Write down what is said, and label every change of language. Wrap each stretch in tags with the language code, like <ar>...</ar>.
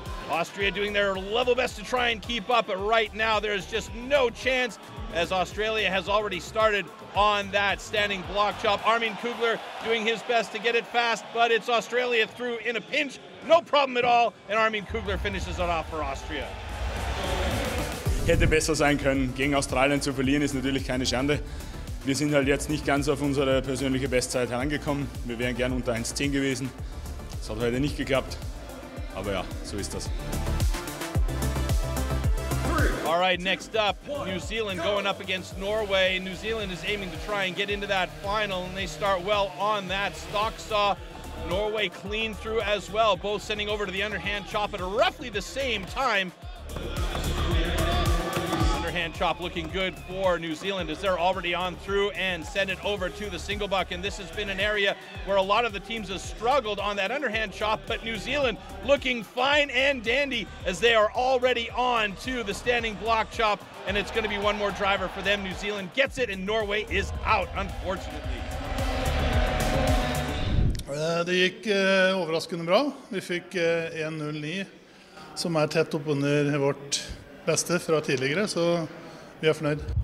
<en>Austria doing their level best to try and keep up, but right now there is just no chance, as Australia has already started on that standing block chop. Armin Kugler doing his best to get it fast, but it's Australia through in a pinch, no problem at all, and Armin Kugler finishes it off for Austria.</en> <de>Hätte besser sein können. Gegen Australien zu verlieren ist natürlich keine Schande. Wir sind halt jetzt nicht ganz auf unsere persönliche Bestzeit herangekommen. Wir wären gern unter 1:10 gewesen. Es hat heute nicht geklappt. Aber ja, so ist das.</de> <en>All right, next up, New Zealand going up against Norway. New Zealand is aiming to try and get into that final, and they start well on that stock saw. Norway clean through as well, both sending over to the underhand chop at roughly the same time. Hand chop looking good for New Zealand as they're already on through and send it over to the single buck. And this has been an area where a lot of the teams have struggled on that underhand chop, but New Zealand looking fine and dandy as they are already on to the standing block chop, and it's going to be one more driver for them. New Zealand gets it and Norway is out, unfortunately.</en> <no>Det gikk overraskende bra. Vi fikk 1.09 som tett opp under vårt beste fra tidligere, så vi fornøyd.</no>